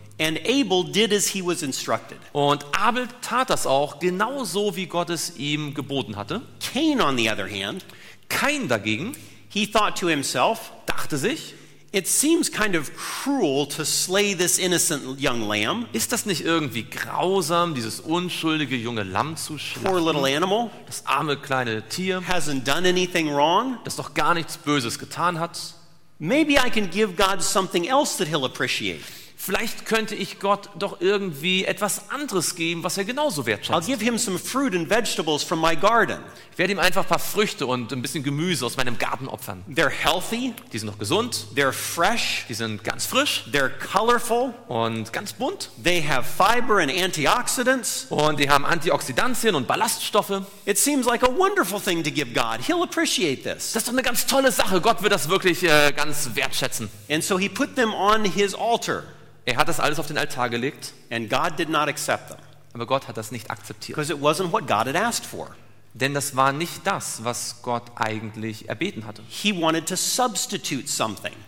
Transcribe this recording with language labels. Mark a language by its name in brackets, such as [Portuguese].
[English] And Abel did as he was instructed. [German] Und Abel tat das auch genauso wie Gott es ihm geboten hatte. [English] Cain on the other hand, [German] Cain dagegen, [English] he thought to himself, [German] dachte sich, [English] it seems kind of cruel to slay this innocent young lamb. [German] Ist das nicht irgendwie grausam, dieses unschuldige junge Lamm zu schlachten? [English] Poor little animal, [German] das arme kleine Tier, [English] hasn't done anything wrong, [German] das doch gar nichts Böses getan hat. [English] Maybe I can give God something else that he'll appreciate. [German] Vielleicht könnte ich Gott doch irgendwie etwas anderes geben, was er genauso wertschätzt. [English] I'll give him some fruit and vegetables from my garden. [German] Ich werde ihm einfach ein paar Früchte und ein bisschen Gemüse aus meinem Garten opfern. [English] They're healthy. [German] Die sind noch gesund. [English] They're fresh. [German] Die sind ganz frisch. [English] They're colorful. [German] Und ganz bunt. [English] They have fiber and antioxidants. [German] Und die haben Antioxidantien und Ballaststoffe. [English] It seems like a wonderful thing to give God. He'll appreciate this. [German] Das ist doch eine ganz tolle Sache. Gott wird das wirklich ganz wertschätzen. [English] And so he put them on his altar. [German] Er hat das alles auf den Altar gelegt. [English] And God did not accept them. [German] Aber Gott hat das nicht akzeptiert. [English] Because it wasn't what God had asked for. [German] Denn das war nicht das, was Gott eigentlich erbeten hatte. [English] He wanted to substitute something.